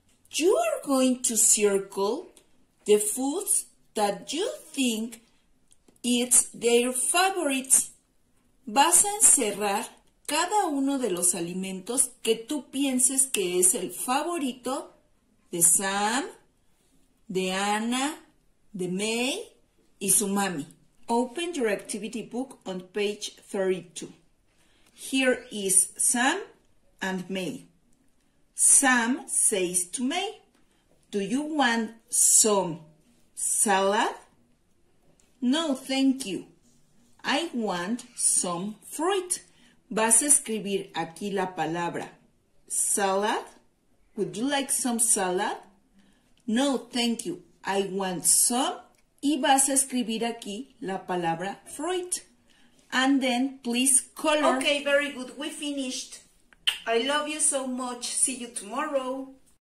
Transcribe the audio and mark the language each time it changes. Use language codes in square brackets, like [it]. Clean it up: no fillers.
[en] You are going to circle the foods that you think it's their favorites. [es] Vas a encerrar cada uno de los alimentos que tú pienses que es el favorito de Sam, de Anna, de May y su mami. [en] Open your activity book on page 32. Here is Sam and May. Sam says to May, "Do you want some salad?" "No, thank you. I want some fruit." [es] Vas a escribir aquí la palabra salad. [en] Would you like some salad? "No, thank you. I want some." [es] Y vas a escribir aquí la palabra fruit. [en] And then please color. Okay, very good. We finished. I love you so much. See you tomorrow.